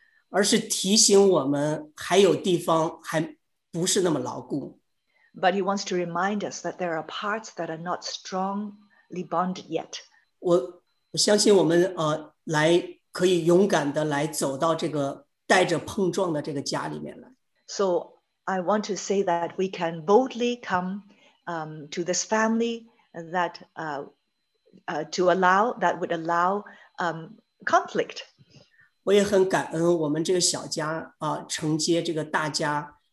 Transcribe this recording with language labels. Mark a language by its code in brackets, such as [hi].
[zh] 而是提醒我们还有地方还不是那么牢固。 [en] But he wants to remind us that there are parts that are not strongly bonded yet. [zh] 我相信我们来可以勇敢的来走到这个带着碰撞的这个家里面来。 [en] So I want to say that we can boldly come to this family that to allow that would allow conflict. [zh] 我也很感恩我们这个小家承接这个大家。